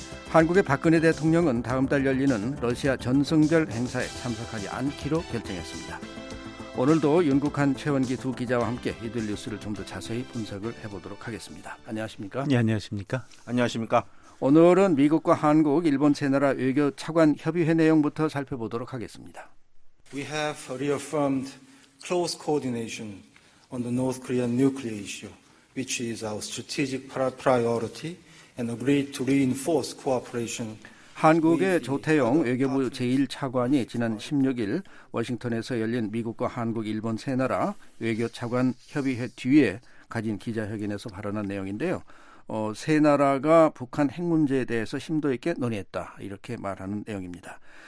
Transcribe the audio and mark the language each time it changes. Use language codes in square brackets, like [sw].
[ko] 한국의 박근혜 대통령은 다음 달 열리는 러시아 전승절 행사에 참석하지 않기로 결정했습니다. 오늘도 윤국한, 최원기 두 기자와 함께 이들 뉴스를 좀 더 자세히 분석을 해보도록 하겠습니다. 안녕하십니까? 네, 안녕하십니까? 안녕하십니까? 오늘은 미국과 한국, 일본 세 나라 외교 차관 협의회 내용부터 살펴보도록 하겠습니다. [en] We have reaffirmed close coordination on the North Korean nuclear issue, which is our strategic priority, and agreed to reinforce cooperation. [ko] 한국의 조태용 외교부 제1차관이 지난 16일 워싱턴에서 열린 미국과 한국, 일본 세 나라 외교차관 협의회 뒤에 가진 기자회견에서 발언한 내용인데요. 세 나라가 북한 핵 문제에 대해서 심도 있게 논의했다, 이렇게 말하는 내용입니다.